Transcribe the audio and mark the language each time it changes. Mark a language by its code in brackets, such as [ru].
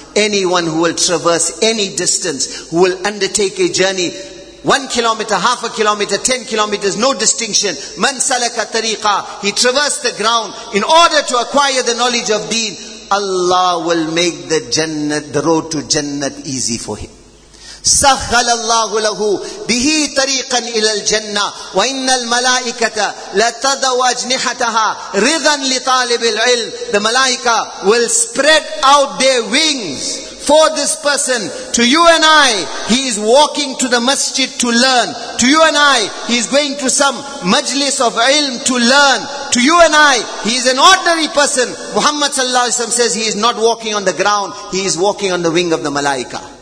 [en] Anyone who will traverse any distance, who will undertake a journey, 1 kilometer, half a kilometer, 10 kilometers, no distinction. Man salaka tariqa, he traversed the ground in order to acquire the knowledge of deen. Allah will make the jannah, the road to jannah easy for him. [ar] سَخَّلَ اللَّهُ لَهُ بِهِ طَرِيقًا إِلَى الْجَنَّةِ وَإِنَّ الْمَلَائِكَةَ لَتَدَوَ أَجْنِحَتَهَا رِضًا لِطَالِبِ الْعِلْمِ. [en] The malaika will spread out their wings for this person. To you and I, he is walking to the masjid to learn. To you and I, he is going to some majlis of ilm to learn. To you and I, he is an ordinary person. Muhammad sallallahu alaihi wasallam says he is not walking on the ground, he is walking on the wing of the malaika.